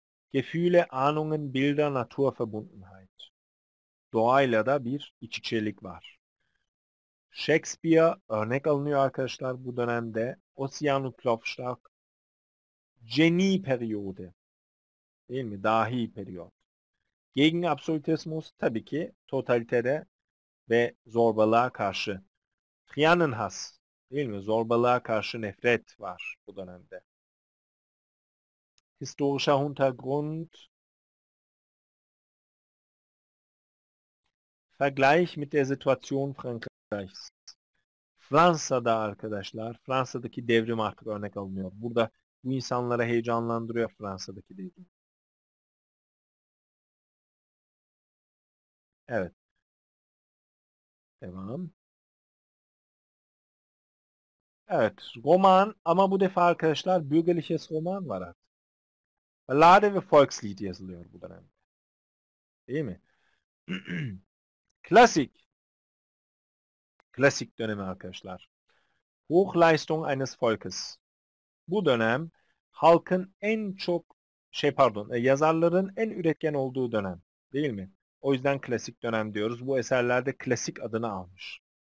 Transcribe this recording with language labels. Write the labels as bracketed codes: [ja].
[de] Gefühle, Ahnungen, Bilder, Naturverbundenheit. [tr] Doğayla da bir iç içelik var. Shakespeare örnek alınıyor arkadaşlar bu dönemde. Ossian Klopstock. Genie periyodu. Değil mi? Dahi periyot. [de] Gegen absolutismus [tr] tabii ki totalitere ve zorbalığa karşı. Trianon has. Değil mi? Zorbalığa karşı nefret var bu dönemde. [de] Historischer Hintergrund. Vergleich mit der Situation Frankreichs. [tr] Fransa'da arkadaşlar, Fransa'daki devrim artık örnek alınıyor. Burada bu insanlara heyecanlandırıyor Fransa'daki devrim. Evet. Devam. Evet, roman ama bu defa arkadaşlar [de] bürgerliches roman [tr] var artık. Ballade ve Volkslied yazılıyor bu dönemde. Değil mi? Klasik. Klasik dönemi arkadaşlar. [de] Hochleistung eines Volkes. [tr] Bu dönem halkın en çok şey pardon, yazarların en üretken olduğu dönem. Değil mi? O yüzden klasik dönem diyoruz. Bu eserler de klasik adını almış.